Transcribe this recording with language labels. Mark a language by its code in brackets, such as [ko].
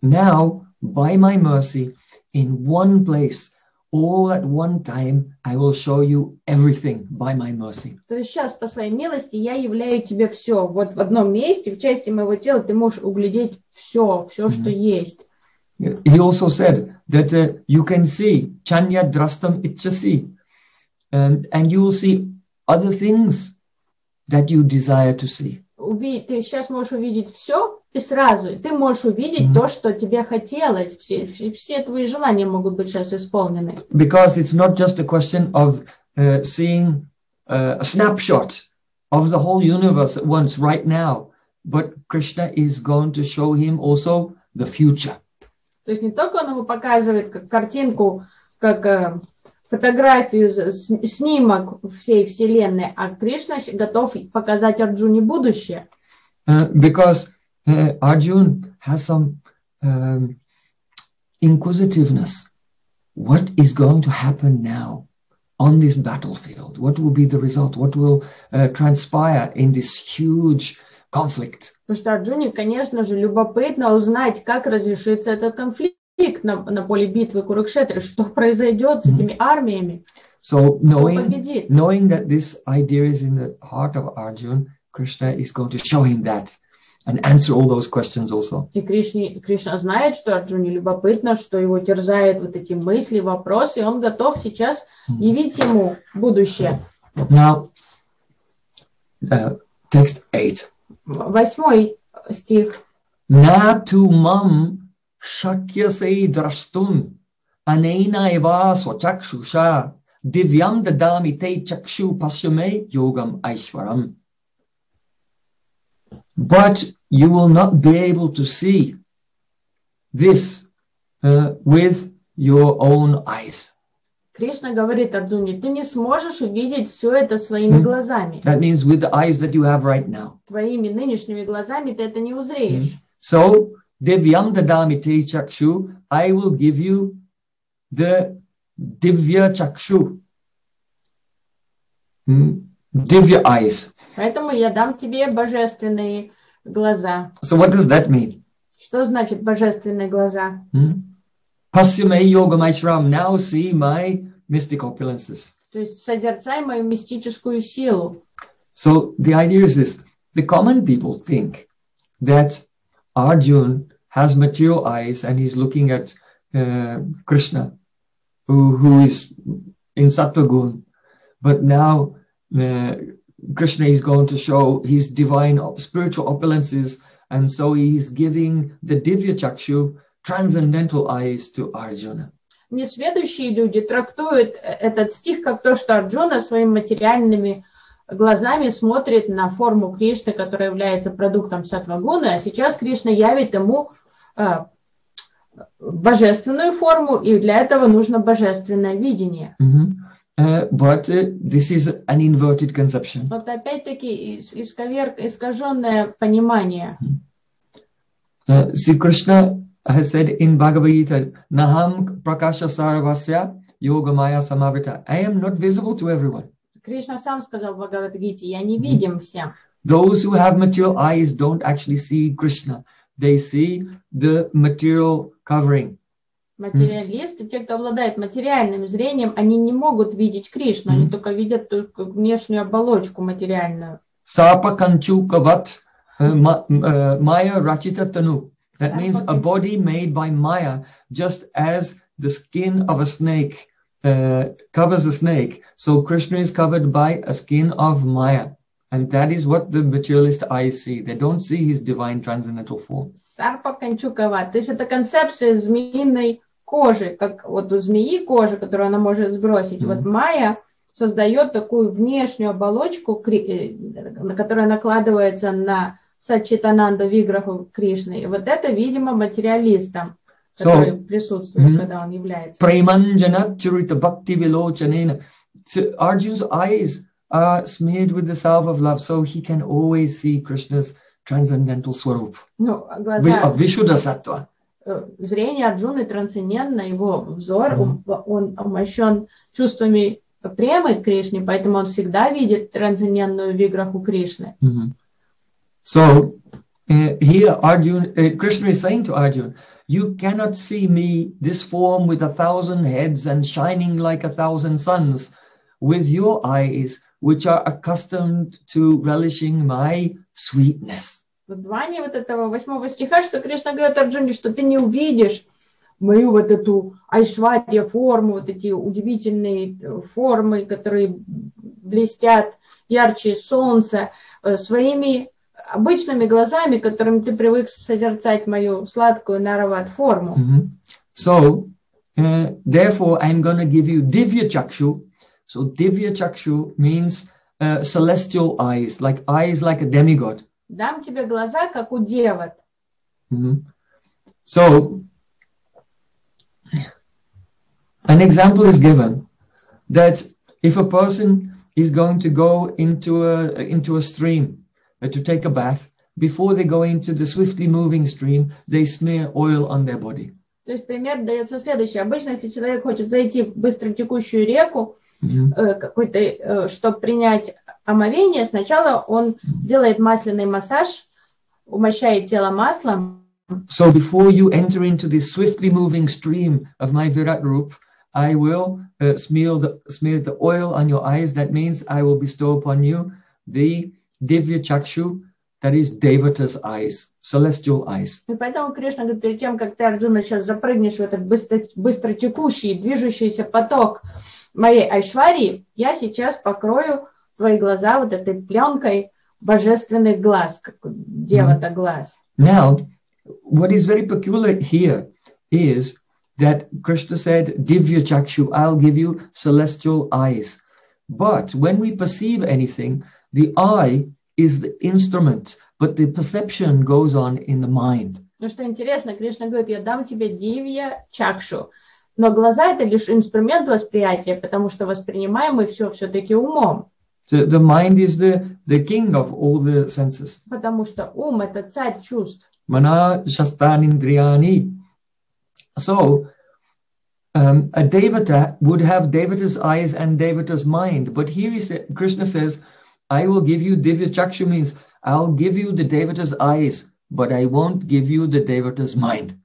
[en] Now, by my mercy, in one place, all at one time, I will show you everything by my mercy. [ru] То есть сейчас по своей милости я являю тебе все. Вот в одном месте, в части моего тела, ты можешь углядеть все, все, что есть. [en] He also said that you can see [sa] Chanya Drastam Itchasi, [en] and you will see other things that you desire to see. [ru] Ты сейчас можешь увидеть все и сразу. Ты можешь увидеть то, что тебе хотелось. Все твои желания могут быть сейчас исполнены. [en] Because it's not just a question of seeing a snapshot of the whole universe at once right now, but Krishna is going to show him also the future. [ru] То есть не только он ему показывает как картинку, как фотографию, снимок всей вселенной, а Кришна готов показать Арджуне будущее. [en] Because Arjun has some inquisitiveness. What is going to happen now on this battlefield? What will be the result? What will transpire in this huge conflict? [ru] Потому что Арджуне, конечно же, любопытно узнать, как разрешится этот конфликт. На поле битвы Курукшетры, что произойдет с этими армиями? [en] So knowing that this idea is in the heart of Arjun, Krishna is going to show him that and answer all those questions also. [ru] И Кришна знает, что Арджуне любопытно, что его терзают вот эти мысли, вопросы, и он готов сейчас явить ему будущее. [en] Now, text 8. [ru] Восьмой стих. [sa] На ту мам Shakyase drashtum anena eva swachakshusha divyam dadami te chakshu pasyame yogam aishwaram. [en] But you will not be able to see this with your own eyes. [ru] Кришна говорит Арджуне, ты не сможешь увидеть все это своими глазами. [en] That means with the eyes that you have right now. [ru] Твоими нынешними глазами ты это не узреешь. [en] So [sa] Divyam dadami te chakshu, [en] I will give you the divya chakshu. Divya eyes. [ru] Поэтому я дам тебе божественные глаза. [en] So what does that mean? [ru] Что значит божественные глаза? [sa] Pasyamai yogam aishram, [en] now see my mystic opulences. [ru] То есть созерцай мою мистическую силу. [en] So the idea is this. The common people think that Arjun has material eyes and he's looking at Krishna, who is in Sattva-gun. But now Krishna is going to show his divine spiritual opulences, and so he's giving the Divya-chakshu transcendental eyes to Arjuna. [ru] Несведущие люди трактуют этот стих как то, что Арджуна своими материальными глазами смотрит на форму Кришны, которая является продуктом Сатва-гуны, а сейчас Кришна явит ему божественную форму, и для этого нужно божественное видение. [en] But this is an inverted conception. [ru] Вот опять-таки искаженное понимание. [en] Sri Krishna has said in Bhagavad Gita, [sa] Naham prakasha sarvasya yoga maya samavrita. [en] I am not visible to everyone. [ru] Кришна сам сказал в Бхагавад Гите, я невидим всем. [en] Those who have material eyes don't actually see Krishna. They see the material covering. [ru] Материалисты, те, кто обладает материальным зрением, они не могут видеть Кришну, они только видят только внешнюю оболочку материальную. [sa] Сапа канчука ват майя рачита тану. [en] That means a body made by Maya, just as the skin of a snake covers a snake. So Krishna is covered by a skin of Maya. And that is what the materialist eyes see. They don't see his divine transcendental form. [sa] Сарпа канчукават. [ru] То есть это концепция змеиной кожи, как вот у змеи кожа, которую она может сбросить. Вот майя создает такую внешнюю оболочку, которая накладывается на Сатчитананду Виграху Кришны. И вот это, видимо, материалистам, которые присутствуют, когда он является. [sa] Преманджана чирита бхакти вилочанена. [en] Arjuna's eyes are smeared with the salve of love, so he can always see Krishna's transcendental swarup. [ru] Ну, глаза... [sa] Вишуда саттва. [ru] Зрение Арджуны трансцендентно, его взор, он омощен чувствами премы Кришны, поэтому он всегда видит трансцендентную виграху Кришны. Mm-hmm. [en] So, here Arjuna, Krishna is saying to Arjuna, you cannot see me, this form with a thousand heads and shining like a thousand suns, with your eyes, which are accustomed to relishing my sweetness. [ru] В двойне вот этого восьмого стиха, что Кришна говорит Арджуне, что ты не увидишь мою вот эту айшварья форму, вот эти удивительные формы, которые блестят ярче солнца, своими обычными глазами, которыми ты привык созерцать мою сладкую нарават форму. Mm-hmm. [en] So, therefore, I'm going to give you divya chakshu. So, divya chakshu means celestial eyes, like a demigod. [ru] Дам тебе глаза, как у девот. Mm-hmm. [en] So, an example is given that if a person is going to go into a stream to take a bath, before they go into the swiftly moving stream, they smear oil on their body. [ru] То есть пример дается следующий. Обычно, если человек хочет зайти в быстро текущую реку, какой-то, чтобы принять омовение, сначала он делает масляный массаж, умощает тело маслом. [en] So before you enter into this swiftly moving stream of my Virat Rup, I will smear the oil on your eyes. That means I will bestow upon you the Divya Chakshu, that is Devata's eyes, celestial eyes. [ru] И поэтому Кришна говорит, перед тем, как ты, Арджуна, сейчас запрыгнешь в этот быстро текущий, движущийся поток моей Айшварии, я сейчас покрою твои глаза вот этой пленкой божественных глаз, как Девата глаз. [en] Now, what is very peculiar here is that Krishna said, Divya Chakshu, I'll give you celestial eyes. But when we perceive anything, the eye is the instrument, but the perception goes on in the mind. [ru] Ну что интересно, Кришна говорит, я дам тебе Дивья Чакшу, но глаза это лишь инструмент восприятия, потому что воспринимаем мы все-таки умом. [en] The mind is the king of all the senses. [ru] Потому что ум это царь чувств. [sa] Мана шастан индриани. [en] So, a devata would have devata's eyes and devata's mind, but here Krishna says, I will give you Divya Chakshu means I'll give you the Devata's eyes, but I won't give you the Devata's mind.